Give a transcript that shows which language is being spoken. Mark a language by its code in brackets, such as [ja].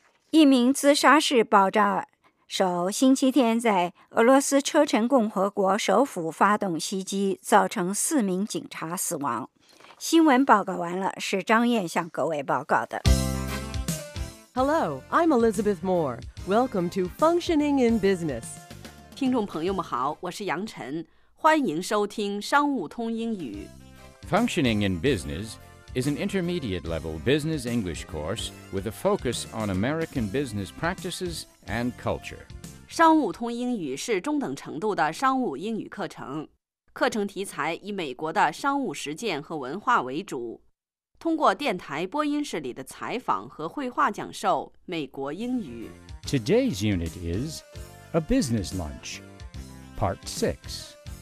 [zh] 一名自杀式爆炸首星期天在俄罗斯车臣共和国首府发动袭击，造成4名警察死亡。新闻报告完了，是张燕向各位报告的。 [en] Hello, I'm Elizabeth Moore. Welcome to Functioning in Business. [zh] 听众朋友们好，我是杨晨，欢迎收听商务通英语。 [en] Functioning in Business is an intermediate level business English course with a focus on American business practices and culture. [zh] 商务通英语是中等程度的商务英语课程，课程题材以美国的商务实践和文化为主，通过电台播音室里的采访和绘画讲授美国英语。 [en] Today's unit is A Business Lunch, Part 6.